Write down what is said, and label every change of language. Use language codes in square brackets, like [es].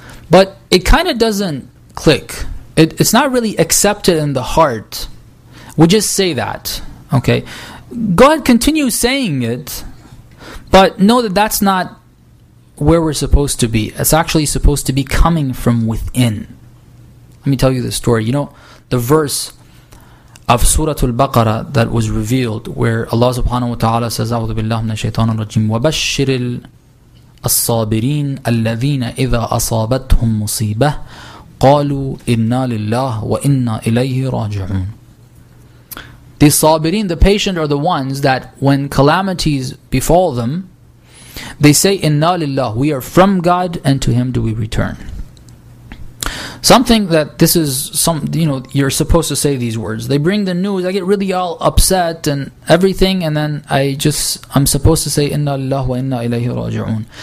[en] But it kind of doesn't click. It's not really accepted in the heart. We just say that. Okay. God continues saying it, but know that that's not where we're supposed to be. It's actually supposed to be coming from within. Let me tell you the story. You know, the verse of Surah Al-Baqarah that was revealed, where Allah subhanahu wa ta'ala says, [ar] أَعُوذُ بِاللَّهِ مِنَ الشَّيْطَانِ الرَّجِيمِ وَبَشِّرِ الْأَصَّابِرِينَ الَّذِينَ إِذَا أَصَابَتْهُمْ مُصِيبَةٌ قَالُوا إِنَّا لِلَّهِ وَإِنَّا إِلَيْهِ رَاجِعُونَ. [en] The sabirin, the patient, are the ones that when calamities befall them, they say, [ar] Inna lillah, [en] we are from God and to Him do we return. Something that this is, some, you know, you're supposed to say these words. They bring the news, I get really all upset and everything, and then I'm supposed to say, [ar] Inna lillah wa inna ilayhi raji'un.